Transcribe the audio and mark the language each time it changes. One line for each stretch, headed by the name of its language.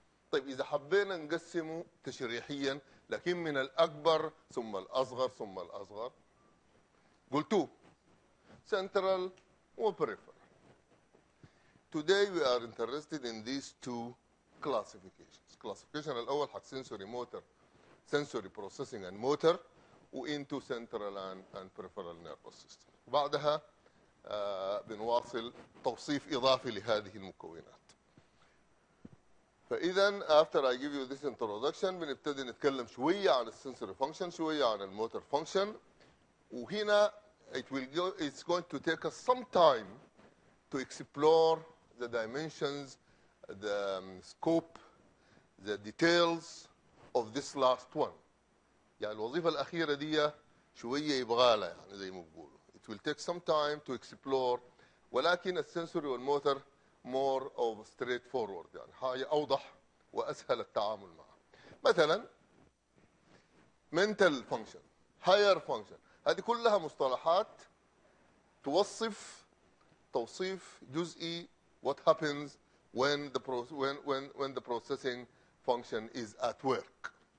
Arabic: طيب إذا حبينا نقسمه تشريحيا، لكن من الأكبر ثم الأصغر ثم الأصغر، قلتوا central و peripheral.
English: Today we are interested in these two classifications. Classification
Arabic: الأول حق
English: sensory motor. Sensory processing and motor into central and peripheral nervous system.
Arabic: بعدها بنواصل توصيف إضافي لهذه المكونات. فإذا
English: after I give you this introduction
Arabic: بنبتدي نتكلم شوية عن sensory function، شوية عن motor function. وهنا
English: it's going to take us some time to explore the dimensions, the scope, the details of this last one.
Arabic: يعني الوظيفة الأخيرة دي شوية يبغى لها يعني زي ما بيقولوا.
English: It will take some time to explore
Arabic: ولكن السنسوري والموتر
English: more of straightforward
Arabic: يعني هاي أوضح وأسهل التعامل معها. مثلا
English: mental function, higher function
Arabic: هذه كلها مصطلحات توصف توصيف جزئي
English: what happens when the processing function is at work.